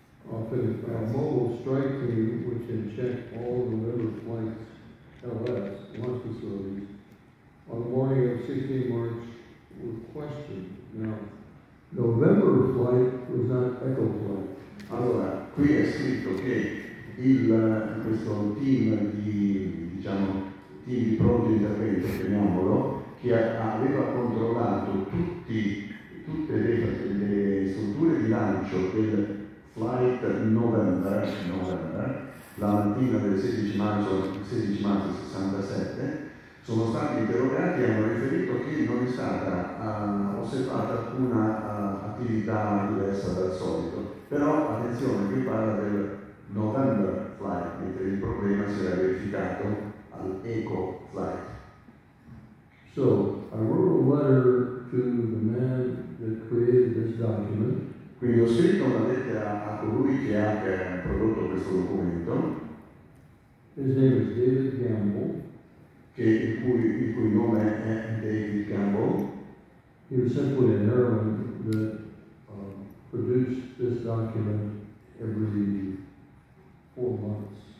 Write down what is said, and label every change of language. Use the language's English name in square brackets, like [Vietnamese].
[English] Of a mobile strike team which can check all the River Flanks LS launch facilities on the morning of 16 March was questioned. Now, November flight was not Echo flight. [Italian] Allora, qui è scritto che il questo team di, diciamo, team di pronto intervento, chiamiamolo, che aveva controllato tutte le strutture di lancio del Flight November, la mattina del 16 marzo 67, sono stati interrogati e hanno riferito che non è stata osservata alcuna attività diversa dal solito. Però attenzione, qui parla del November Flight, mentre il problema si era verificato al Echo Flight. [English] So, I wrote a letter to the man that created this document. [Italian] Quindi ho scritto una lettera a colui che ha prodotto questo documento. [English] His name is David Gamble. [Italian] Che il cui nome è David Gamble. [English] He was simply an airman that produced this document every three months.